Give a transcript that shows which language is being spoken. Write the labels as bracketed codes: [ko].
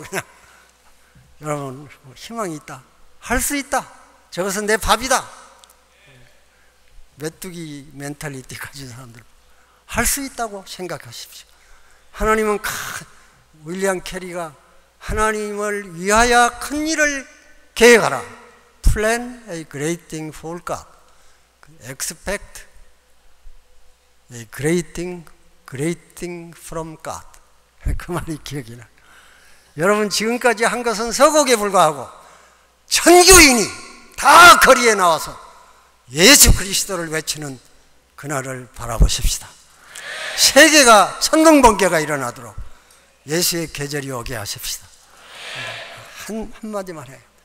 [ko] 그냥 여러분 희망이 있다. 할 수 있다. 저것은 내 밥이다. 메뚜기 멘탈리티 가진 사람들 할 수 있다고 생각하십시오. 하나님은 윌리엄 캐리가 하나님을 위하여 큰 일을 계획하라. [en] Plan a great thing for God. Expect a great thing from God. [ko] 그 말이 기억이 나. 여러분 지금까지 한 것은 서곡에 불과하고 천교인이 다 거리에 나와서 예수 그리스도를 외치는 그날을 바라보십시다. 세계가 천둥번개가 일어나도록 예수의 계절이 오게 하십시다. 한마디만 해요.